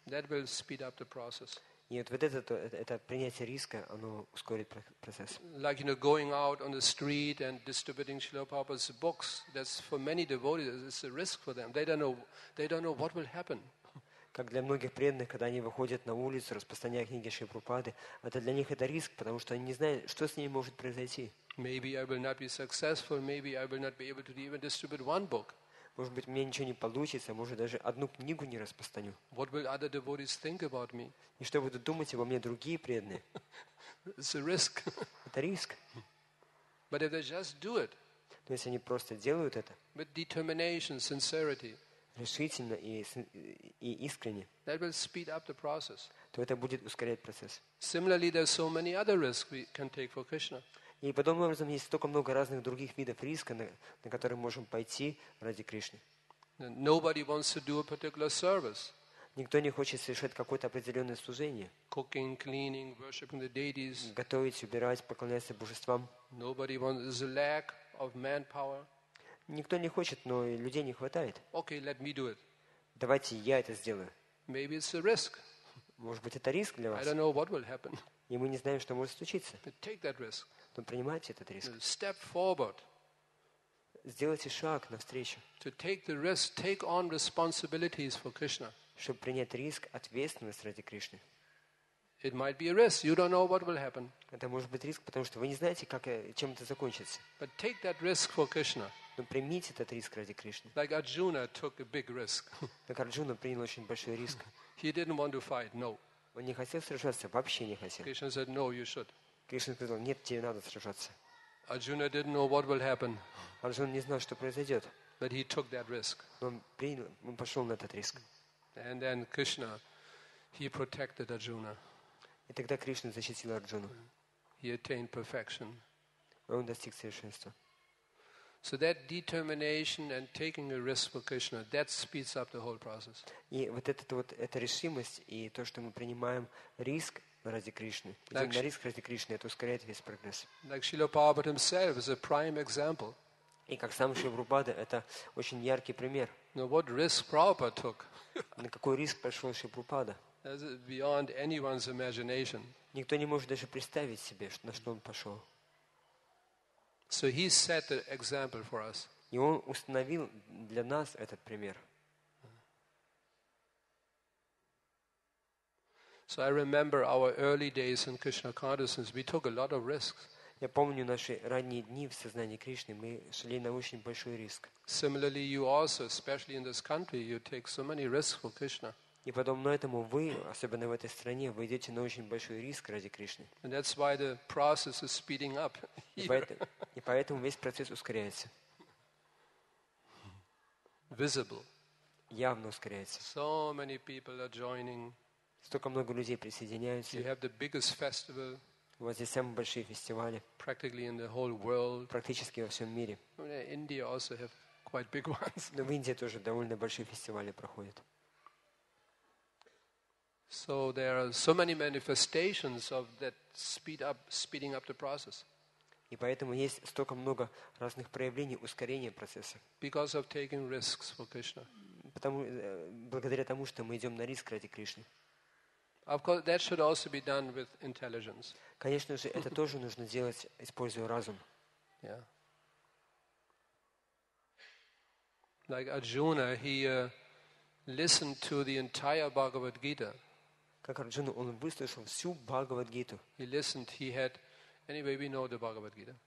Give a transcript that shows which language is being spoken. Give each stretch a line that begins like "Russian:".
English: That will speed up the process.
Russian: И вот, вот это принятие риска, оно ускорит процесс.
English: Like, you know, going out on the street and distributing Srila Prabhupada's books, that's for many devotees, it's a risk for them. They don't know what will happen.
Russian: Как для многих преданных, когда они выходят на улицу, распространяя книги Шри Прабхупады, это для них это риск, потому что они не знают, что с ними может произойти.
English: Maybe I will not be successful, maybe I will not be able to even distribute one book.
Russian: Может быть, мне ничего не получится, может, даже одну книгу не распространю.
English: What will other devotees think about me?
Russian: И что будут думать обо мне другие преданные?
English: It's a risk.
Russian: Это риск.
English: But if they just do it.
Russian: Но если они просто делают это.
English: With determination, sincerity.
Russian: Решительно и искренне.
English: That will speed up the process.
Russian: То это будет ускорять процесс.
English: Similarly, there are so many other risks we can take for Krishna.
Russian: И подобным образом есть столько много разных других видов риска, на которые можем пойти ради Кришны.
English: Nobody wants to do a particular service.
Russian: Никто не хочет совершать какое-то определенное служение.
English: Cooking, cleaning, worshiping the deities.
Russian: Готовить, убирать, поклоняться божествам.
English: Nobody wants a lack of manpower.
Russian: Никто не хочет, но и людей не хватает.
English: Okay, let me do it.
Russian: Давайте я это сделаю.
English: Maybe it's a risk.
Russian: Может быть, это риск для вас.
English: I don't know what will happen.
Russian: И мы не знаем, что может случиться.
English: But take that risk.
Russian: Но принимайте этот риск.
English: Step forward.
Russian: Сделайте шаг навстречу.
English: To take the risk, take on responsibilities for Krishna.
Russian: Чтобы принять риск, ответственность ради Кришны.
English: It might be a risk. You don't know what will happen.
Russian: Это может быть риск, потому что вы не знаете, как, чем это закончится.
English: But take that risk for Krishna.
Russian: Но примите этот риск ради Кришны.
English: Like Arjuna took a big risk.
Russian: Так Арджуна принял очень большой риск.
English: He didn't want to fight. No.
Russian: Он не хотел сражаться, вообще не хотел.
English: Krishna said, no, you should.
Russian: Кришна сказал, нет, тебе надо сражаться.
English: Arjuna didn't know what will happen.
Russian: Арджуна не знал, что произойдет.
English: But he took that risk.
Russian: Но он пошел на этот риск.
English: And then Krishna, he protected Arjuna.
Russian: И тогда Кришна защитил Арджуну.
English: He attained perfection.
Russian: он достиг совершенства.
English: So that determination and taking a risk for Krishna, that speeds up the whole process.
Russian: И вот эта вот эта решимость и то, что мы принимаем риск ради Кришны, идем на риск ради Кришны, это ускоряет весь прогресс.
English: Like Srila Prabhupada himself is a prime example.
Russian: И как сам Шрила Прабхупада, это очень яркий пример.
English: Now what risk Prabhupada took?
Russian: На какой риск пошел Шрила Прабхупада?
English: That's beyond anyone's imagination.
Russian: Никто не может даже представить себе, на что он пошел.
English: So he set the example for us.
Russian: И он установил для нас этот пример.
English: So I remember our early days in Krishna consciousness. We took a lot of risks.
Russian: Я помню наши ранние дни в сознании Кришны. Мы шли на очень большой риск.
English: Similarly, you also, especially in this country, you take so many risks for Krishna.
Russian: И подобно этому вы, особенно в этой стране, вы идете на очень большой риск ради Кришны.
English: And that's why the process is speeding up.
Russian: И поэтому весь процесс ускоряется.
English: Visible.
Russian: Явно ускоряется.
English: So many people are joining.
Russian: Столько много людей присоединяются.
English: You have the biggest festival.
Russian: У вас здесь самые большие фестивали.
English: Practically in the whole world.
Russian: Практически во всем мире.
English: India also have quite big ones.
Russian: Но в Индии тоже довольно большие фестивали проходят.
English: So there are so many manifestations of that speeding up the process.
Russian: И поэтому есть столько много разных проявлений ускорения процесса.
English: Because of taking risks for Krishna.
Russian: Потому благодаря тому, что мы идем на риск ради Кришны.
English: Of course, that should also be done with intelligence.
Russian: Конечно же, это тоже нужно делать, используя разум.
English: Yeah. Like Arjuna, he listened to the entire Bhagavad Gita.
Russian: Как Арджуна, он выслушал всю Бхагавад-гиту.
English: He listened, he had. Anyway, we know the Bhagavad-gita.